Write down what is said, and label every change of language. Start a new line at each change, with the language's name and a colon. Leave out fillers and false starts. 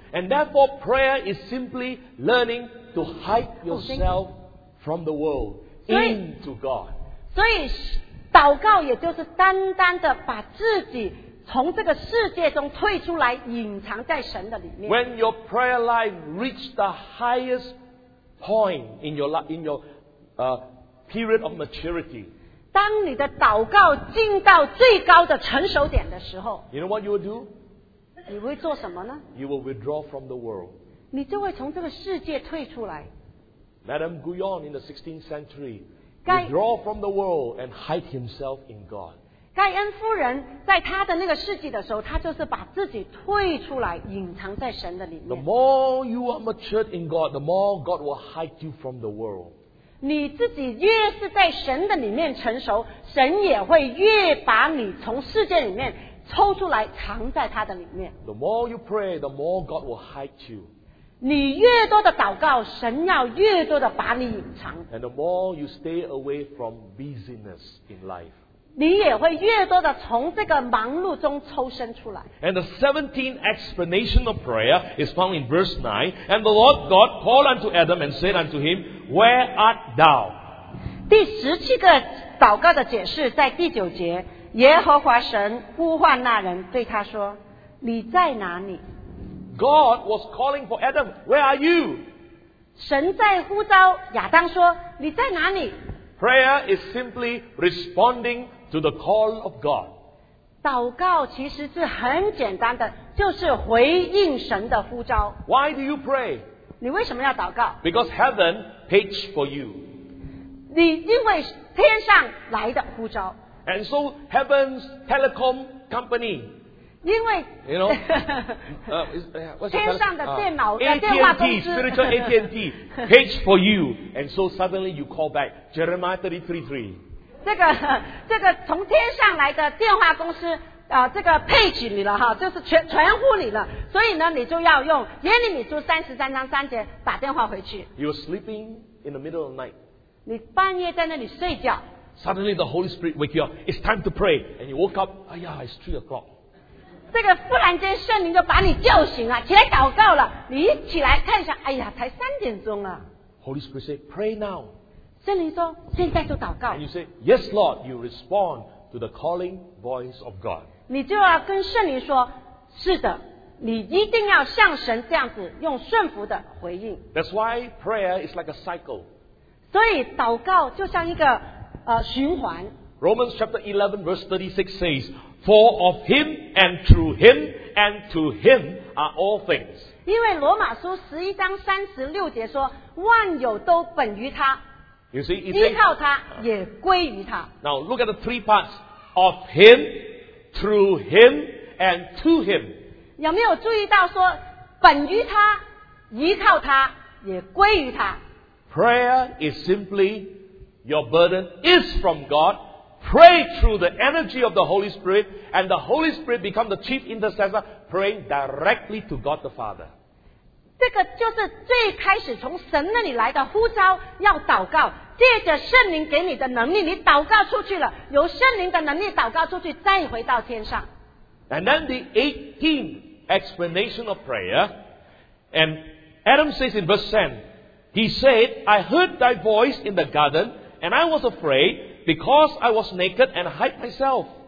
English: And therefore prayer is simply learning to hide yourself from the world into God
Chinese: 所以祷告也就是单单的把自己从这个世界中退出来隐藏在神的里面
English: When your prayer life reached the highest point in your period of maturity
Chinese: 当你的祷告进到最高的成熟点的时候，
English: you know what you will do?
Chinese: 你会做什么呢？
English: You will withdraw from the world.
Chinese: 你就会从这个世界退出来。
English: Madame Guyon in the 16th century withdraw from the world and hide himself in God.
Chinese: 盖恩夫人在她的那个世纪的时候，她就是把自己退出来，隐藏在神的里面。
English: The more you are matured in God, the more God will hide you from the world.
Chinese: 你自己越是在神的里面成熟，神也会越把你从世界里面抽出来，藏在他的里面。
English: The more you pray, the more God will hide you.
Chinese: 你越多的祷告，神要越多的把你隐藏。
English: And the more you stay away from busyness in life.
Chinese: 你也会越多的从这个忙碌中抽身出来。
English: And the 17th explanation of prayer is found in verse 9. And the Lord God called unto Adam and said unto him,Where art thou?
Chinese: 第十七个祷告的解释在第九节，耶和华神呼唤那人，对他说：“你在哪里？”
English: God was calling for Adam. Where are you?
Chinese: 神在呼召亚当说：“你在哪里？”
English: Prayer is simply responding to the call of God.
Chinese: 祷告其实是很简单的，就是回应神的呼召。
English: Why do you pray?
Chinese: 你为什么要祷告？
English: Because heaven. Page for you.
Chinese: 你因为天上来的呼召。
English: And so heaven's telecom company.
Chinese: 因为
English: you know,
Chinese: 天上的电脑、电话公司
English: AT&T, spiritual AT&T, page for you. And so suddenly you call back. Jeremiah 33:3.
Chinese: 这个从天上来的电话公司这个 page 你了哈，就是全呼你了，所以呢，你就要用耶利米书33:3打电话回去。
English: You're sleeping in the middle of the night.
Chinese: 你半夜在那里睡觉。
English: Suddenly the Holy Spirit wake you up. It's time to pray. And you woke up.
Chinese: 哎呀
English: ，it's 3:00.
Chinese: 这个忽然间圣灵就把你叫醒了，起来祷告了。你一起来看一下，哎呀，才3:00啊。
English: Holy Spirit say, pray now.
Chinese: 圣灵说，现在就祷告。
English: And you say, yes, Lord. You respond. To the calling voice of God.
Chinese: 你就要跟圣灵说，是的，你一定要像神这样子用顺服的回应。
English: That's why prayer is like a cycle.
Chinese: 所以祷告就像一个循环。
English: Romans chapter 11 verse 36 says, For of him and through him and to him are all things.
Chinese: 因为罗马书11:36说，万有都本于他。
English: You see,
Chinese: it's 依靠他也归于他。
English: Now look at the three parts of him, through him, and to him.
Chinese: 有没有注意到说本于他、依靠他、也归于他
English: ？Prayer is simply your burden is from God. Pray through the energy of the Holy Spirit, and the Holy Spirit become the chief intercessor, praying directly to God the Father.
Chinese: 这个就是最开始从神那里来的呼召，要祷告，借着圣灵给你的能力，你祷告出去了，由圣灵的能力祷告出去，再回到天上。
English: And then the 18th explanation of prayer, and Adam says in verse 10, he said, I heard thy voice in the garden, and I was afraid because I was naked and hide myself.